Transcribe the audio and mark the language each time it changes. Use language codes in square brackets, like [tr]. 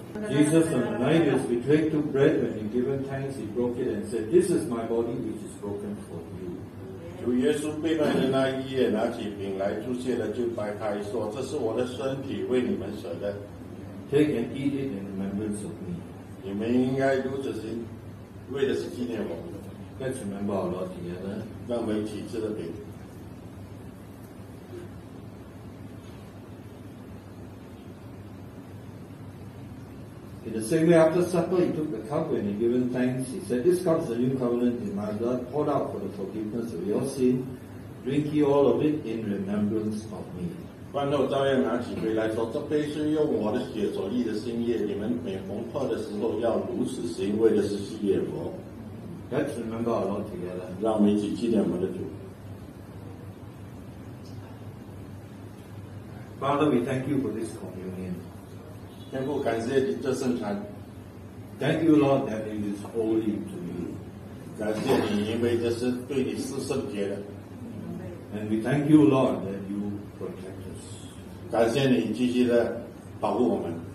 [en] Jesus, on the night as we took the bread, when he given thanks, he broke it and said, "This is my body, which is broken for you." [zh] 主耶稣被卖的那一夜，拿起饼来，祝谢了，就掰开，说，这是我的身体，为你们舍的。 [en] Take and eat it in remembrance of me. [zh] 你们应该如此行，为的是纪念我。 [en] Let's remember our Lord together. [zh] 让我们一起吃的饼。 [en] In the same way, after supper, he took the cup when he given thanks. He said, "This cup is the new covenant in my blood, poured out for the forgiveness of your sin. Drink ye all of it in remembrance of me." [zh] 饭后照样拿起杯来说，这杯是用我的血所立的新约，你们每逢喝的时候要如此行，为的是纪念我。 [en] Let's remember our Lord together. [zh] 让我们一起纪念我们的主。 [en] Father, we thank you for this communion. [zh] 天父，感谢这圣餐。 [en] Thank you, Lord, that it is holy to you. [zh] 感谢你，因为这是对你是圣洁的。 [en] And we thank you, Lord, that you protect us. [zh] 感谢你继续的保护我们。